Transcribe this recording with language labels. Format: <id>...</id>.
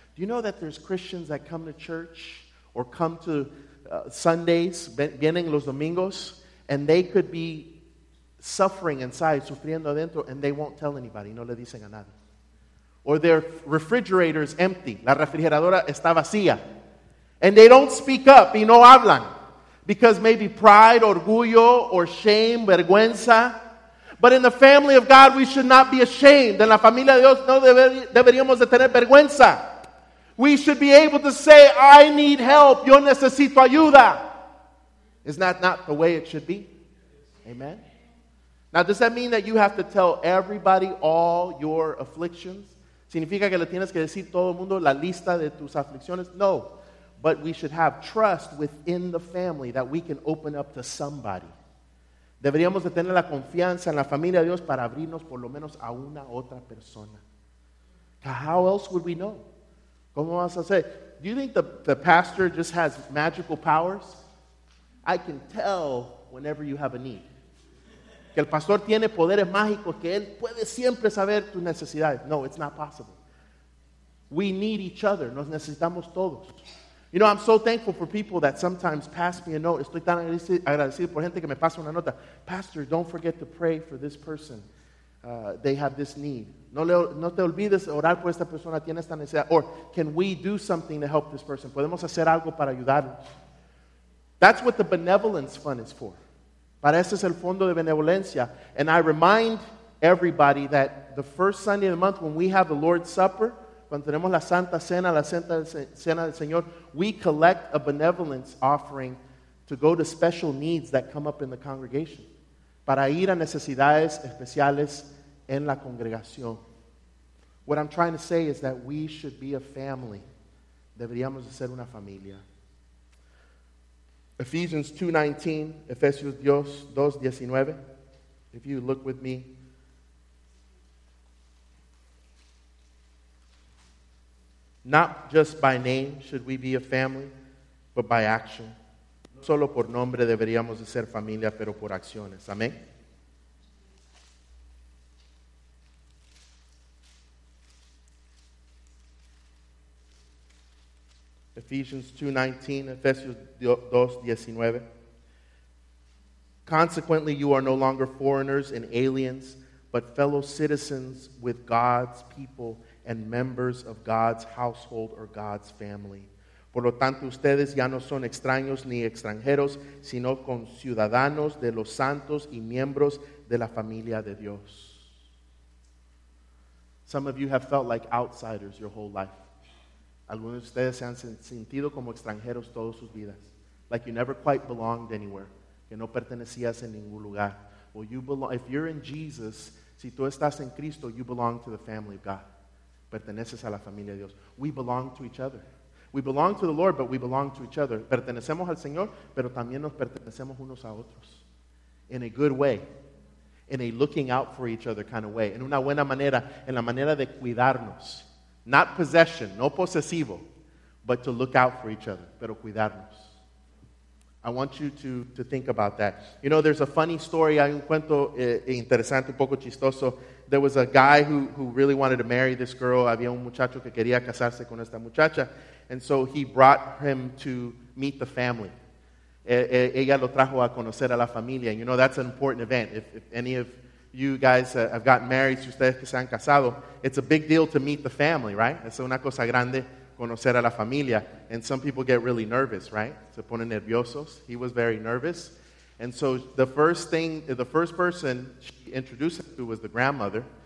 <en>Do you know that there's Christians that come to church or come to Sundays,</en> <es>vienen los domingos,</es> <en>and they could be suffering inside,</en> <es>sufriendo adentro,</es> <en>and they won't tell anybody,</en> <es>no le dicen a nadie.</es> <en>Or their refrigerator is empty,</en> <es>la refrigeradora está vacía,</es> <en>and they don't speak up,</en> <es>y no hablan,</es> <en>because maybe pride, orgullo, or shame, vergüenza. But in the family of God, we should not be ashamed.</en> <es>En la familia de Dios, no deberíamos de tener vergüenza.</es> <en>We should be able to say, I need help.</en> <es>Yo necesito ayuda.</es> <en>Is that not the way it should be? Amen. Now, does that mean that you have to tell everybody all your afflictions?</en> <es>¿Significa que le tienes que decir todo el mundo la lista de tus aflicciones? No.</es> <en>But we should have trust within the family that we can open up to somebody.</en> <es>Deberíamos de tener la confianza en la familia de Dios para abrirnos por lo menos a una otra persona.</es> <en>How else would we know?</en> <es>¿Cómo vas a hacer?</es> <en>Do you think the pastor just has magical powers? I can tell whenever you have a need.</en> <es>Que el pastor tiene poderes mágicos, que él puede siempre saber tus necesidades.</es> <en>No, it's not possible. We need each other.</en> <es>Nos necesitamos todos.</es> <en>You know, I'm so thankful for people that sometimes pass me a note.</en> <es>Estoy tan agradecido por gente que me pasa una nota.</es> <en>Pastor, don't forget to pray for this person. They have this need.</en> <es>No te olvides orar por esta persona, tiene esta necesidad.</es> <en>Or, can we do something to help this person?</en> <es>¿Podemos hacer algo para ayudarlos?</es> <en>That's what the benevolence fund is for.</en> <es>Para eso es el fondo de benevolencia.</es> <en>And I remind everybody that the first Sunday of the month when we have the Lord's Supper,</en> <es>cuando tenemos la Santa Cena, la Santa Cena del Señor,</es> <en>we collect a benevolence offering to go to special needs that come up in the congregation.</en> <es>Para ir a necesidades especiales en la congregación.</es> <en>What I'm trying to say is that we should be a family.</en> <es>Deberíamos de ser una familia.</es> <en>Ephesians 2:19, Efesios 2:19. If you look with me. Not just by name should we be a family, but by action.</en> <es>No solo por nombre deberíamos de ser familia, pero por acciones. Amén.</es> <en>Ephesians 2:19, Efesios 2:19. Consequently, you are no longer foreigners and aliens, but fellow citizens with God's people and members of God's household or God's family.</en> <es>Por lo tanto, ustedes ya no son extraños ni extranjeros, sino conciudadanos de los santos y miembros de la familia de Dios.</es> <en>Some of you have felt like outsiders your whole life.</en> <es>Algunos de ustedes se han sentido como extranjeros todas sus vidas.</es> <en>Like you never quite belonged anywhere.</en> <es>Que no pertenecías en ningún lugar.</es> <en>Well, you belong, if you're in Jesus,</en> <es>si tú estás en Cristo,</es> <en>you belong to the family of God.</en> <es>Perteneces a la familia de Dios.</es> <en>We belong to each other. We belong to the Lord, but we belong to each other.</en> <es>Pertenecemos al Señor, pero también nos pertenecemos unos a otros.</es> <en>In a good way. In a looking out for each other kind of way.</en> <es>En una buena manera. En la manera de cuidarnos.</es> <en>Not possession,</en> <es>no posesivo,</es> <en>but to look out for each other,</en> <es>pero cuidarnos.</es> <en>I want you to think about that. You know, there's a funny story.</en> <es>Hay un cuento interesante, un poco chistoso.</es> <en>There was a guy who really wanted to marry this girl.</en> <es>Había un muchacho que quería casarse con esta muchacha.</es> <en>And so he brought him to meet the family.</en> <es>Ella lo trajo a conocer a la familia.</es> <en>You know, that's an important event. If any of you guys have gotten married,</en> <es>si ustedes que se han casado,</es> <en>it's a big deal to meet the family, right?</en> <es>Es una cosa grande conocer a la familia.</es> <en>And some people get really nervous, right?</en> <es>Se ponen nerviosos.</es> <en>He was very nervous. And so the first person she introduced him to was the grandmother.</en>